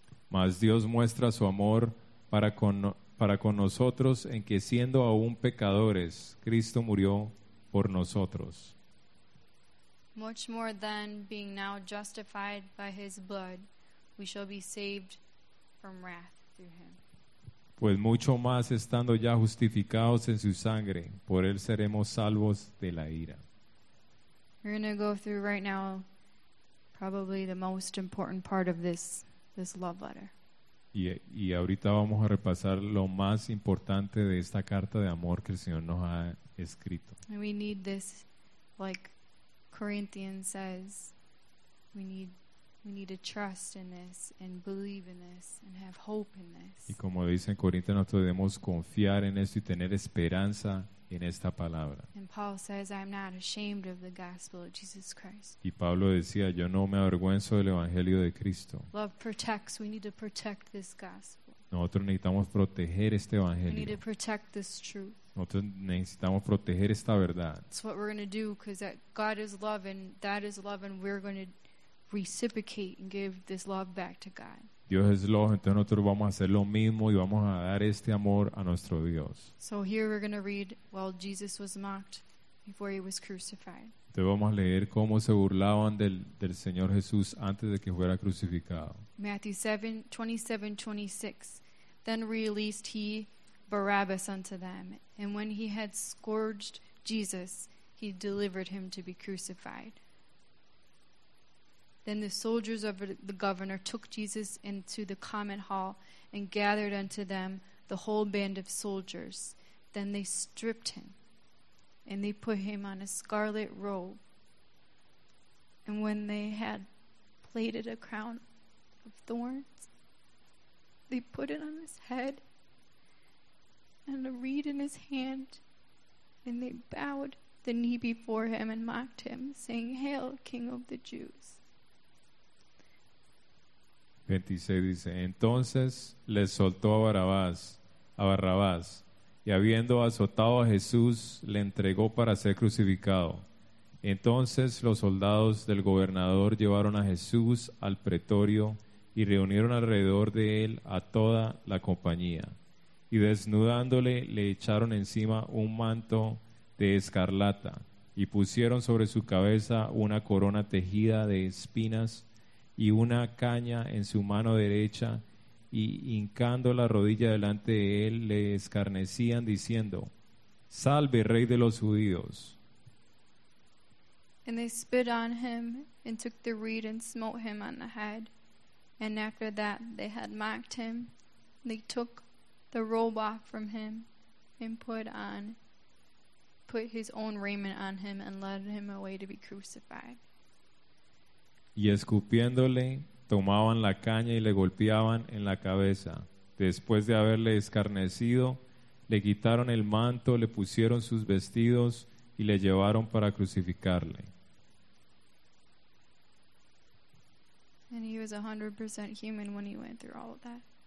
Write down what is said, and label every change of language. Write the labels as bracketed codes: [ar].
[es] Mas Dios muestra su amor para con nosotros en que siendo aún pecadores, Cristo murió por nosotros. [en] Much more than being now justified by his blood, we shall be saved from wrath through him. [es] Pues mucho más estando ya justificados en su sangre, por él seremos salvos de la ira. [en] We're going to go through right now probably the most important part of this love letter. [es] Y ahorita vamos a repasar lo más importante de esta carta de amor que el Señor nos ha escrito. [en] And we need this, like Corinthians says, we need to trust in this and believe in this and have hope in this. [es] Y como dice en Corintios, nosotros debemos confiar en esto y tener esperanza en esta palabra. [en] And Paul says, I'm not ashamed of the gospel of Jesus Christ. [es] Y Pablo decía, yo no me avergüenzo del evangelio de Cristo. [en] Love protects. We need to protect this gospel. [es] Nosotros necesitamos proteger este evangelio. [en] We need to protect this truth. [es] Nosotros necesitamos proteger esta verdad. [en] It's what we're going to do, because that God is love and that is love, and we're going to reciprocate and give this love back to God. [es] Dios es [en] love, [es] entonces nosotros vamos a hacer lo mismo y vamos a dar este amor a nuestro Dios. [en] So here we're going to read while Jesus was mocked before he was crucified. [es] Entonces vamos a leer cómo se burlaban del Señor Jesús antes de que fuera crucificado. [en] Matthew 7:27-26. Then released he Barabbas unto them, and when he had scourged Jesus, he delivered him to be crucified. Then the soldiers of the governor took Jesus into the common hall and gathered unto them the whole band of soldiers. Then they stripped him, and they put him on a scarlet robe. And when they had plaited a crown of thorns, they put it on his head and a reed in his hand, and they bowed the knee before him and mocked him, saying, Hail, King of the Jews. [es] 26 dice, entonces les soltó a Barrabás, y habiendo azotado a Jesús, le entregó para ser crucificado. Entonces los soldados del gobernador llevaron a Jesús al pretorio y reunieron alrededor de él a toda la compañía. Y desnudándole, le echaron encima un manto de escarlata y pusieron sobre su cabeza una corona tejida de espinas y una caña en su mano derecha, y hincando la rodilla delante de él, le escarnecían diciendo, Salve, Rey de los Judíos. [en] And they spit on him, and took the reed and smote him on the head. And after that they had mocked him, they took the robe off from him, and put his own raiment on him, and led him away to be crucified. [es] Y escupiéndole, tomaban la caña y le golpeaban en la cabeza. Después de haberle escarnecido, le quitaron el manto, le pusieron sus vestidos y le llevaron para crucificarle. [en] And he was 100% human when he went through all of that.